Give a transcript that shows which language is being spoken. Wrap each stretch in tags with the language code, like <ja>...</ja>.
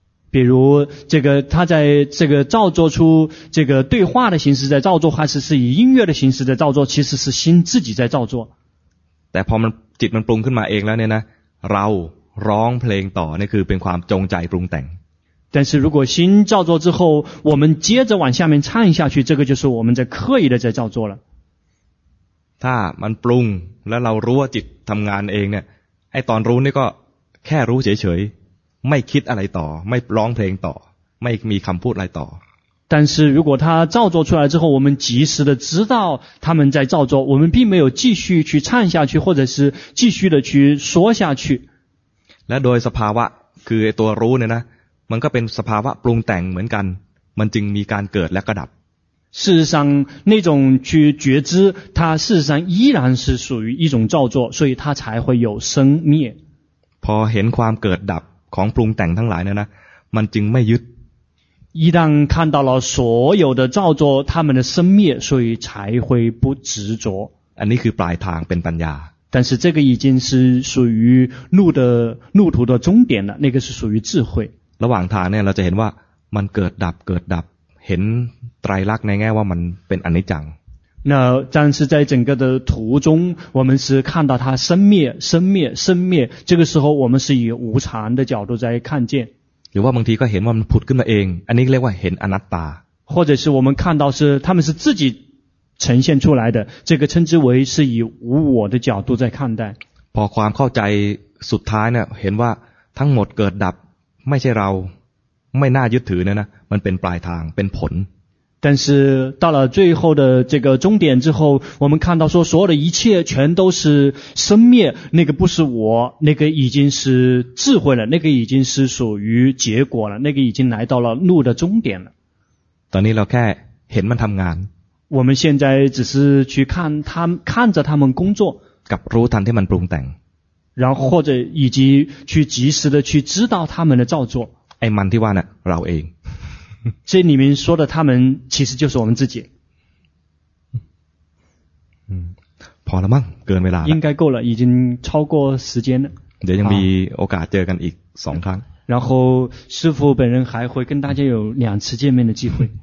<zh>比如这个他在这个造作出这个对话的形式在造作还是以音乐的形式在造作其实是心自己在造作</zh> <th>แต่พอมันจิตมันปรุงขึ้นมาเองแล้วเนี่ยนะเราร้องเพลงต่อนี่คือเป็นความจงใจปรุงแต่ง</th> <zh>但是如果心造作之后我们接着往下面唱下去这个就是我们在刻意的在造作了</zh> <th>ถ้ามันปรุงแล้วเรารู้ว่าจิตทำงานเองเนี่ยไอ้ตอนรู้นี่ก็แค่รู้เฉยๆไม่คิดอะไรต่อไม่ร้องเพลงต่อไม่มีคำพูดอะไรต่อ</th> <zh>但是如果他造作出来之后，我们及时的知道他们在造作，我们并没有继续去唱下去，或者是继续的去说下去。</zh> <th>และโดยสภาวะคือตัวรู้เนี่ยนะมันก็เป็นสภาวะปรุงแต่งเหมือนกันมันจึงมีการเกิดและก็ดับ</th> <zh>事实上那种去觉知它事实上依然是属于一种造作所以它才会有生灭</zh> <th>พอเห็นความเกิดดับของปรุงแต่งทั้งหลายเนี่ยนะมันจึงไม่ยึด</th> <zh>一旦看到了所有的造作它们的生灭所以才会不执着</zh> <th>อันนี้คือปลายทางเป็นปัญญา</th> <zh>但是这个已经是属于路的路途的终点了那个是属于智慧</zh> <th>ระหว่างทางเนี่ยเราจะเห็นว่ามันเกิดดับเกิดดับเห็นไตรลักษณ์ในแง่ว่ามันเป็นอนิจจัง</th> <zh>那但是在整个的途中我们是看到它生灭生灭生灭这个时候我们是以无常的角度在看见</zh> <th>หรือว่าบางทีก็เห็นว่ามันผุดขึ้นมาเองอันนี้เรียกว่าเห็นอนัตตา</th> <zh>或者是我们看到是他们是自己呈现出来的这个称之为是以无我的角度在看待</zh> <th>พอความเข้าใจสุดท้ายเนี่ยเห็นว่าทั้งหมดเกิดดับไม่ใช่เราไม่น่ายึดถือเนี่ยนะมันเป็นปลายทางเป็นผล</th> <zh>但是到了最后的这个终点之后我们看到说所有的一切全都是生灭那个不是我那个已经是智慧了那个已经是属于结果了那个已经来到了路的终点了</zh> <th>ตอนนี้เราแค่เห็นมันทำงาน</th> <zh>我们现在只是去看他看着他们工作</zh> <th>กับรู้ทันที่มันปรุงแต่ง</th> <zh>然后或者以及去及时的去知道他们的造作</zh> <th>ไอ้มันที่ว่าเนี่ยเราเอง</th> <zh>这里面说的他们其实就是我们自己</zh> <th>พอแล้วมั้งเกินเวลา</th> <zh>应该够了已经超过时间了</zh> <th>เดี๋ยวยังมีโอกาสเจอกันอีก2ครั้ง</th> <zh>然后师父本人还会跟大家有两次见面的机会</zh>